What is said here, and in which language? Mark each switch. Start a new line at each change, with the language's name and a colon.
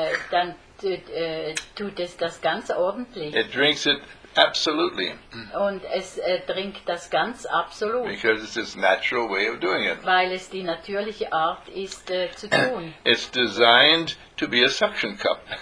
German: Dann tut es das ganz ordentlich.
English: It drinks it absolutely.
German: Und es trinkt das ganz absolut.
English: Because it's its natural way of doing it.
German: Weil es die natürliche Art ist zu tun.
English: It's designed to be a suction cup.